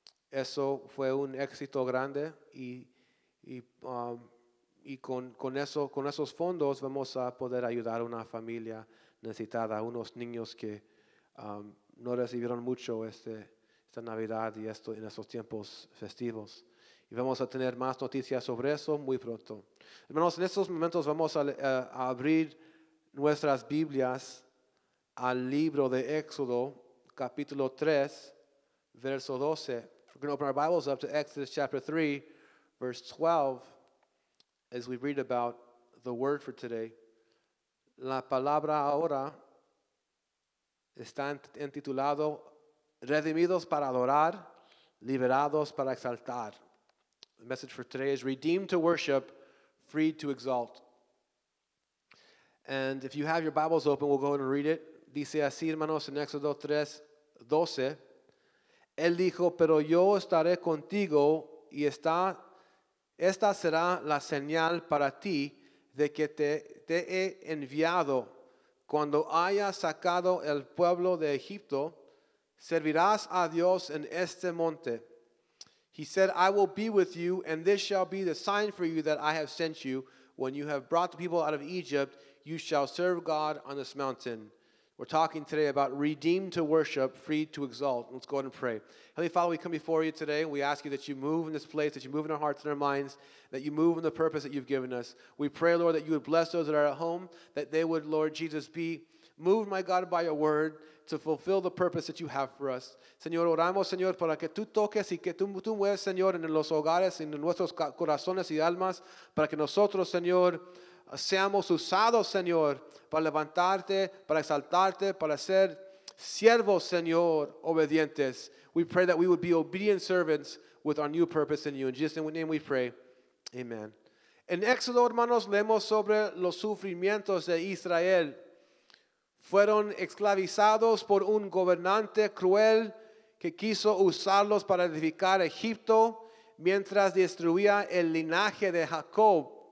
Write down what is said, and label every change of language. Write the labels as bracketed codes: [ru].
[es] Eso fue un éxito grande y con esos fondos vamos a poder ayudar a una familia necesitada, a unos niños que no recibieron mucho esta Navidad y esto en esos tiempos festivos. Y vamos a tener más noticias sobre eso muy pronto. Hermanos, en estos momentos vamos a abrir nuestras Biblias al libro de Éxodo, capítulo 3, verso 12. [en] We're going to open our Bibles up to Exodus chapter 3, verse 12, as we read about the word for today. [es] La palabra ahora está intitulado Redimidos para adorar, liberados para exaltar. [en] The message for today is redeemed to worship, freed to exalt. And if you have your Bibles open, we'll go ahead and read it. [es] Dice así, hermanos, en Éxodo 3, 12. Él dijo, pero yo estaré contigo y esta será la señal para ti de que te he enviado. Cuando hayas sacado el pueblo de Egipto, servirás a Dios en este monte. [en] He said, I will be with you, and this shall be the sign for you that I have sent you. When you have brought the people out of Egypt, you shall serve God on this mountain. We're talking today about redeemed to worship, freed to exalt. Let's go ahead and pray. Heavenly Father, we come before you today. We ask you that you move in this place, that you move in our hearts and our minds, that you move in the purpose that you've given us. We pray, Lord, that you would bless those that are at home, that they would, Lord Jesus, be moved, my God, by your word to fulfill the purpose that you have for us. [es] Señor, oramos, Señor, para que tú toques y que tú mueves, Señor, en los hogares, en nuestros corazones y almas, para que nosotros, Señor, seamos usados, Señor, para levantarte, para exaltarte, para ser siervos, Señor, obedientes. [en] We pray that we would be obedient servants with our new purpose in you. In Jesus' name we pray. Amen. [es] En Éxodo, hermanos, leemos sobre los sufrimientos de Israel. Fueron esclavizados por un gobernante cruel que quiso usarlos para edificar Egipto mientras destruía el linaje de Jacob.